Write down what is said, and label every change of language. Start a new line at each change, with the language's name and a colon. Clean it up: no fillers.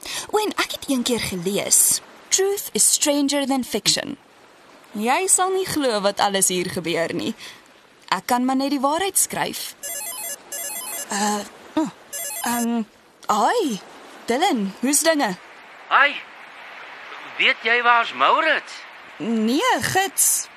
Afrikaans: O, en ek het een keer gelees.
English: Truth is stranger than fiction.
Afrikaans: Jy sal nie glo wat alles hier gebeur nie. Ek kan maar net die waarheid skryf. Hi, Dylan, hoe's dinge? Hi, weet jy waar's Maurits? Nee, gids.